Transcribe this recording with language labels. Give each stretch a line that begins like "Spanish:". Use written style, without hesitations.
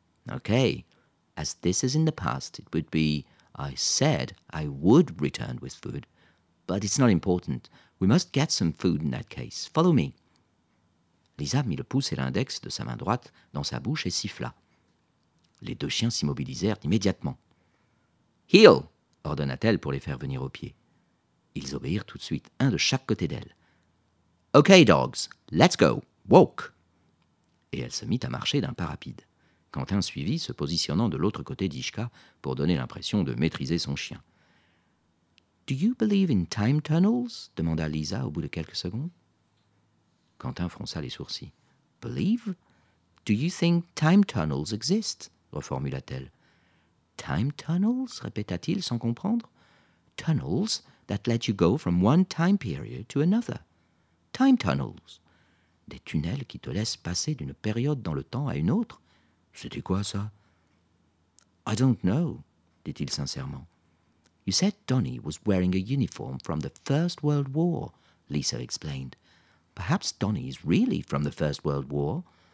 English: Okay, as this is in the past, it would be I said I would return with food. But it's not important. We must get some food in that case. Follow me.
French: Lisa mit le pouce et l'index de sa main droite dans sa bouche et siffla. Les deux chiens s'immobilisèrent immédiatement. Heel, ordonna-t-elle pour les faire venir au pied. Ils obéirent tout de suite, un de chaque côté d'elle. «
English: Okay, dogs, let's go, walk !»
French: Et elle se mit à marcher d'un pas rapide. Quentin suivit, se positionnant de l'autre côté d'Ishka pour donner l'impression de maîtriser son chien. «
English: Do you believe in time tunnels
French: ?» demanda Lisa au bout de quelques secondes. Quentin fronça les sourcils.
English: « Believe ? Do you think time tunnels exist ?»
French: reformula-t-elle. «
English: Time tunnels
French: ? » répéta-t-il sans comprendre.
English: « Tunnels that let you go from one time period to another. » Time tunnels.
French: Des tunnels qui te laissent passer d'une période dans le temps à une autre. C'était quoi ça?
English: I don't know,
French: dit-il sincèrement.
English: You said Donnie was wearing a uniform from the First World War, Lisa explained. Perhaps Donnie is really from the First World War.